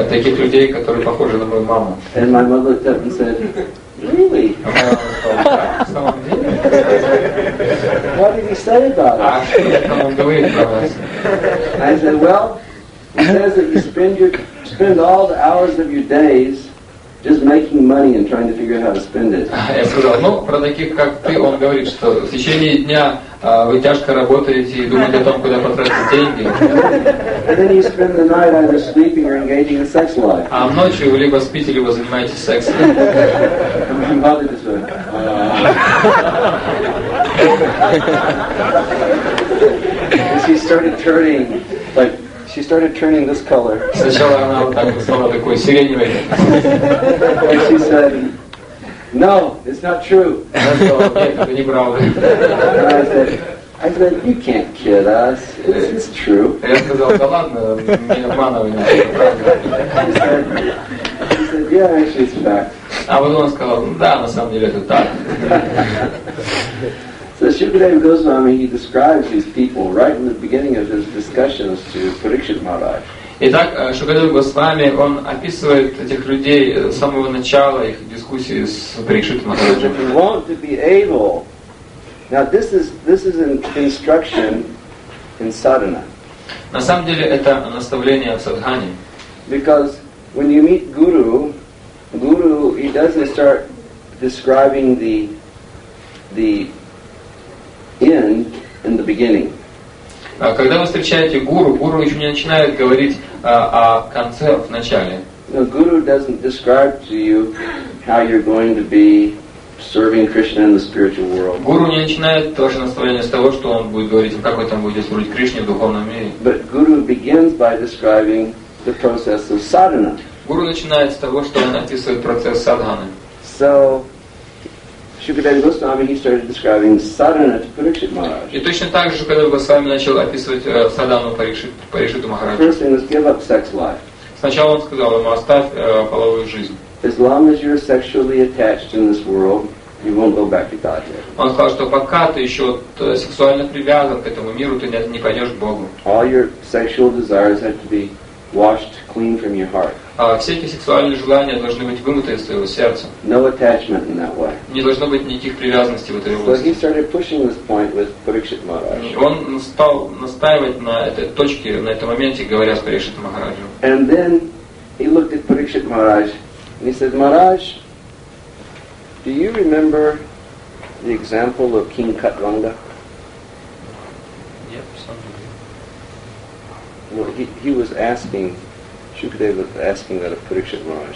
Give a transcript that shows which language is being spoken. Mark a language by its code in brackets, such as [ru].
[en] And my mother looked up and said, really? What did he say about us? I said, well, he says that you spend all the hours of your days just making money and trying to figure out how to spend it. [ru] Я сказал, ну, про таких, как ты, он говорит, что в течение дня вы тяжко работаете и думаете о том, куда потратить деньги. [en] And then you spend the night either sleeping or engaging in sex life. [ru] А ночью вы либо спите, либо занимаетесь сексом. [en] And my mother just went, ah. And she started turning this color. [ru] Сначала она вот так стала такой сиреневой. [en] And she said, no, it's not true. [ru] Нет, это не правда. [en] And I said, you can't kid us. It's true. [ru] Я сказал, да ладно, не обманывай, не правда. [en] She said, yeah, actually it's fact. [ru] А вот он сказал, да, на самом деле это так. [en] So Shukadeva Goswami, he describes these people right in the beginning of his discussions to Parikshit Maharaj. [ru] Итак, Шукадева Госвами, он описывает этих людей с самого начала их дискуссии с Парикшит Махараджем. [en] You want to be able. Now this is an instruction in sadhana. [ru] На самом деле это наставление в садхане. [en] Because when you meet Guru, Guru, he doesn't start describing the end in the beginning. [ru] Когда вы встречаете гуру, гуру еще не начинает говорить о конце, в начале. [en] No, guru doesn't describe to you how you're going to be serving Krishna in the spiritual world. [ru] Гуру не начинает тоже наставление с того, что он будет говорить, как вы там будете служить Кришне в духовном мире. [en] But guru begins by describing the process of sadhana. [ru] Гуру начинает с того, что он описывает процесс садханы. [en] So Shukadeva Goswami, he started describing sadhana to Parikshit Maharaj. [ru] И точно так же Шукадева Госвами начал описывать садхану Парикшиту Махараджу. [en] First thing is give up sex life. [ru] Сначала он сказал ему, оставь половую жизнь. [en] As long as you're sexually attached in this world, you won't go back to Godhead. [ru] Он сказал, что пока ты еще сексуально привязан к этому миру, ты не пойдешь к Богу. [en] All your sexual desires have to be washed clean from your heart. [ru] Все эти сексуальные желания должны быть вымыты из своего сердца. [en] No attachment in that way. [ru] Не должно быть никаких привязанностей в этой области. [en] So he started pushing this point with Parikshit Maharaj. [ru] Он стал настаивать на этой точке, на этом моменте, говоря с Парикшит Махараджем. [en] And then he looked at Parikshit Maharaj and he said, Maharaj, do you remember the example of King Khatranga? Yep, something. Well, he was asking, Shukadeva was asking that of Parikshit Maharaj.